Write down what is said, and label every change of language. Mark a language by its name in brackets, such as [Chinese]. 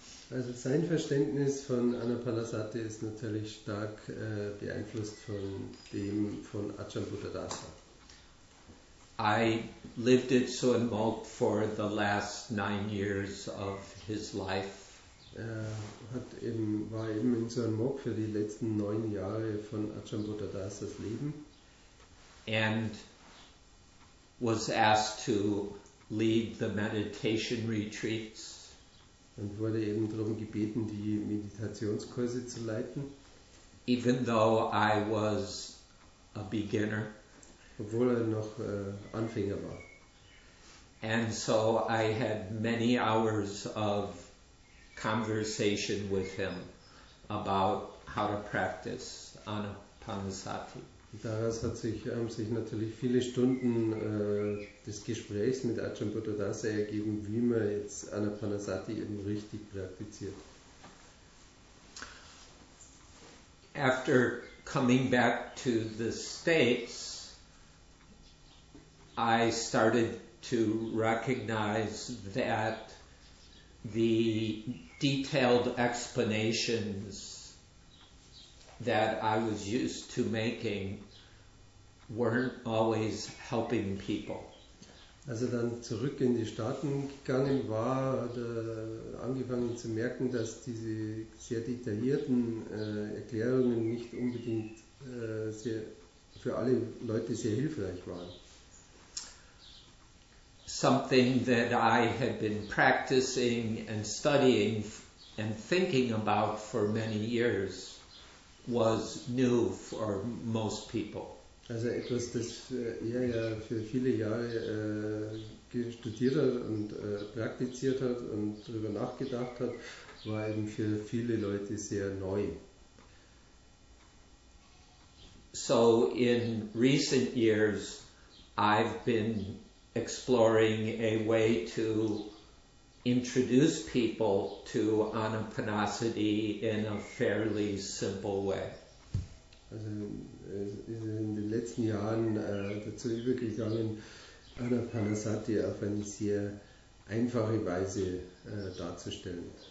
[German] Also sein Verständnis von Anapanasati ist natürlich stark beeinflusst von dem von Ajahn Buddhadasa. [English] I lived at Soen Mok for the last 9 years of his life. [German] War eben in Soen Mok für die letzten 9 Jahre von Ajahn Buddhadasas Leben. [English] And was asked to lead the meditation retreats. [German] Und wurde eben darum gebeten, die Meditationskurse zu leiten. [English] Even though I was a beginner. [German] Obwohl er noch Anfänger war. [English] And so I had many hours of conversation with him about how to practice Anapanasati. [German] Daraus haben sich natürlich viele Stunden des Gesprächs mit Ajahn Buddhadasa ergeben, wie man jetzt Anapanasati eben richtig praktiziert. [English] After coming back to the States, I started to recognize that the detailed explanations that I was used to making weren't always helping people. [German] Als er dann zurück in die Staaten gegangen war, hat er angefangen zu merken, dass diese sehr detaillierten Erklärungen nicht unbedingt sehr für alle Leute sehr hilfreich waren. [English] Something that I had been practicing and studying and thinking about for many years was new for most people. [German] Also etwas, das er ja für viele Jahre studiert hat und praktiziert hat und darüber nachgedacht hat, war eben für viele Leute sehr neu. [English] So in recent years, I've been exploring a way to introduce people to Anapanasati in a fairly simple way. [German] Also ist in den letzten Jahren dazu übergegangen, Anapanasati auf eine sehr einfache Weise darzustellen.